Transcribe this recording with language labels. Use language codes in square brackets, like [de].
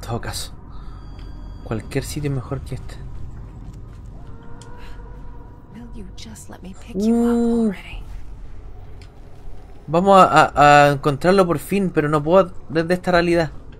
[es] todo caso, cualquier sitio es mejor que este. [en] Will you just let me pick you up already? [es] Vamos a encontrarlo por fin, pero no puedo desde esta realidad.